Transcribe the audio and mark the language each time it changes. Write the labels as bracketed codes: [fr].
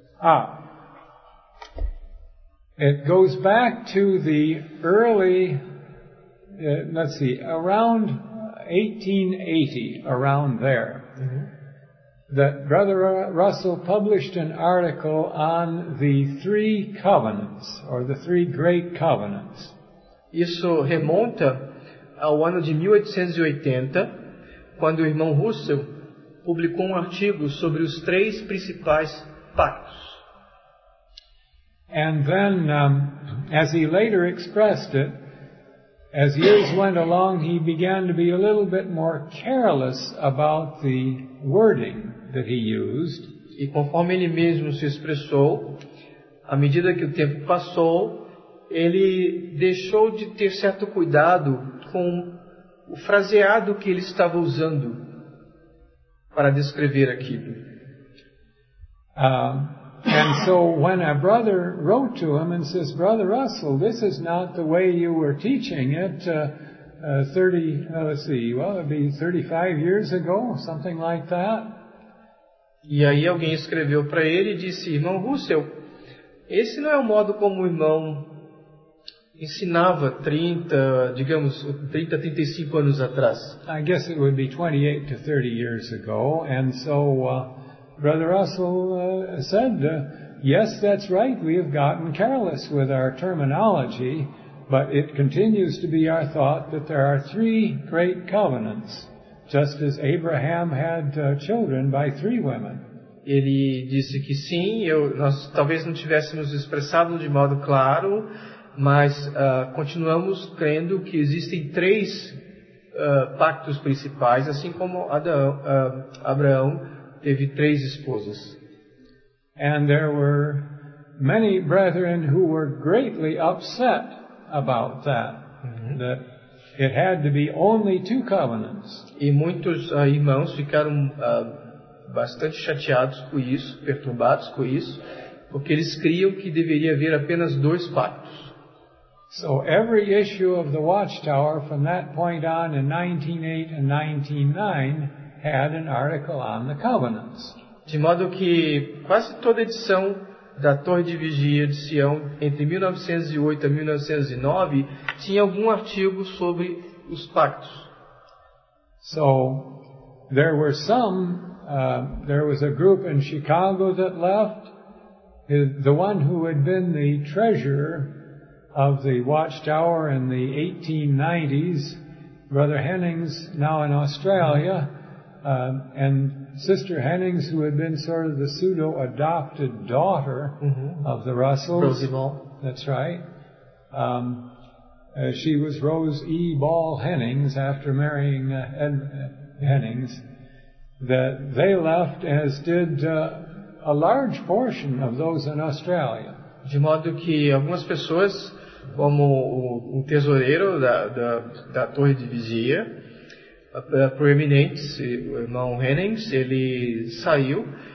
[en] Ah, it goes back to the early, let's see, around 1880, around there, that Brother Russell published an article on the three covenants, or the three great covenants. [pt] Isso remonta ao ano de 1880, quando o irmão Russell publicou um artigo sobre os três principais pactos. [en] And then, as he later expressed it, as years went along, he began to be a little bit more careless about the wording that he used. [pt] E conforme ele mesmo se expressou, à medida que o tempo passou, ele deixou de ter certo cuidado com o fraseado que ele estava usando para descrever aquilo. [en] And so when a brother wrote to him and says, Brother Russell, this is not the way you were teaching it 35 years ago, something like that. [pt] E aí alguém escreveu para ele e disse, irmão Russell, esse não é o modo como o irmão ensinava 35 anos atrás. [en] I guess it would be 28 to 30 years ago, and so Brother Russell said, yes, that's right, we have gotten careless with our terminology, but it continues to be our thought that there are three great covenants, just as Abraham had children by three women. [pt] Ele disse que sim, nós talvez não tivéssemos expressado de modo claro, mas continuamos crendo que existem três pactos principais, assim como Abraão teve três esposas. [en] And there were many brethren who were greatly upset about that, that it had to be only two covenants. [pt] E muitos irmãos ficaram bastante chateados com isso, perturbados com isso, porque eles criam que deveria haver apenas dois pactos. [en] So every issue of the Watchtower from that point on in 1908 and 1909 had an article on the covenants. [pt] De modo que quase toda edição da Torre de Vigia de Sião entre 1908 e 1909 tinha algum artigo sobre os pactos. [en] So there were some there was a group in Chicago that left. The one who had been the treasurer of the Watchtower in the 1890s, Brother Hennings, now in Australia. And Sister Hennings, who had been sort of the pseudo-adopted daughter of the Russells. Rosie Ball. That's right. She was Rose E. Ball Hennings after marrying Hennings. That they left, as did a large portion of those in Australia. [pt] De modo que algumas pessoas, como o tesoureiro da torre de vigia, proeminente, o irmão Hennings, ele saiu.